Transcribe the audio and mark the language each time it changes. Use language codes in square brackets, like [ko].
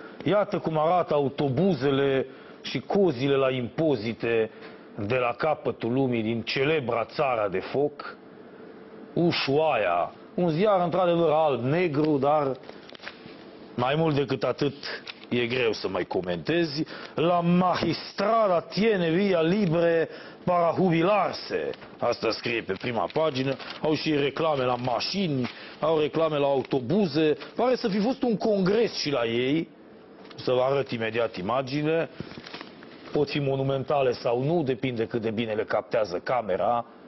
[ro] Iată cum arată autobuzele și cozile la impozite de la capătul lumii din celebra Țara de Foc, Ushuaia. Un ziar într-adevăr alb-negru, dar mai mult decât atât e greu să mai comentezi. [es] La magistrada tiene via libre para jubilarse. [ro] Asta scrie pe prima pagină. Au și reclame la mașini, au reclame la autobuze. Pare să fi fost un congres și la ei. Să vă arăt imediat imagine. Pot fi monumentale sau nu, depinde cât de bine le captează camera.